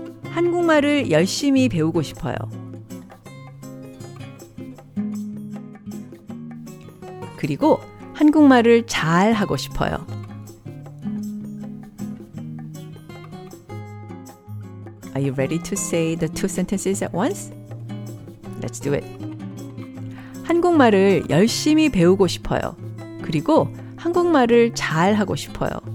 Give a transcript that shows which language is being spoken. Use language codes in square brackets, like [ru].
[ko] 한국말을 열심히 배우고 싶어요. 그리고 한국말을 잘 하고 싶어요. [en] 'Are you ready to say the two sentences at once? Let's do it. [ko] 한국말을 열심히 배우고 싶어요. 그리고 한국말을 잘 하고 싶어요.